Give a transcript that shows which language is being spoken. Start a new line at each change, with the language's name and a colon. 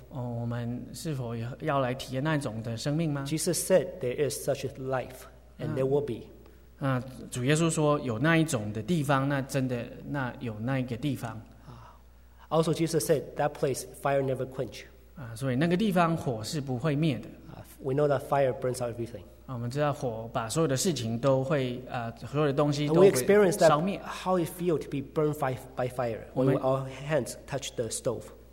Chinese: 我们是否要来体验那种的生命吗？
English: Jesus said there is such a life, and there will be.
Chinese: 主耶稣说有那一种的地方，那真的那有那一个地方。
English: Also, Jesus said that place fire never quench.
Chinese: 所以那个地方火是不会灭的。
English: We know that fire burns out everything.
Chinese: 我们知道火把所有的事情都会，所有的东西都会烧灭。
English: And we experience that how it feels to be burned by fire when our hands touch the stove.